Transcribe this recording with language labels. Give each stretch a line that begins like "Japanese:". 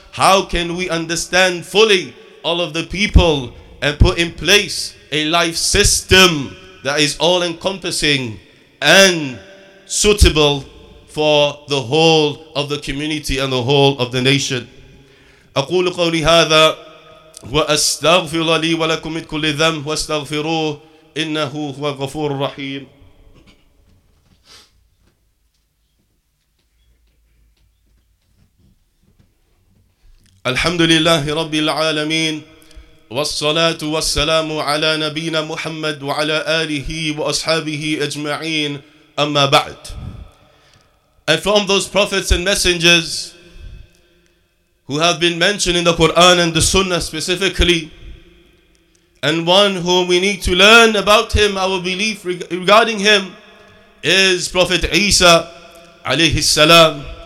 English: How can we understand fully all of the people and put in place a life system that is all-encompassing and suitable for the whole of the community and the whole of the nation?
Arabic: أقول قولي هذا وأستغفر لي ولكم من كل ذنب واستغفروه إنه هو الغفور الرحيم. الحمد لله رب العالمين والصلاة والسلام على نبينا محمد وعلى آله وأصحابه أجمعين أما بعد.
English: And from those prophets and messengers who have been mentioned in the Quran and the Sunnah specifically, and one whom we need to learn about him, our belief regarding him, is Prophet Isa alayhi salam.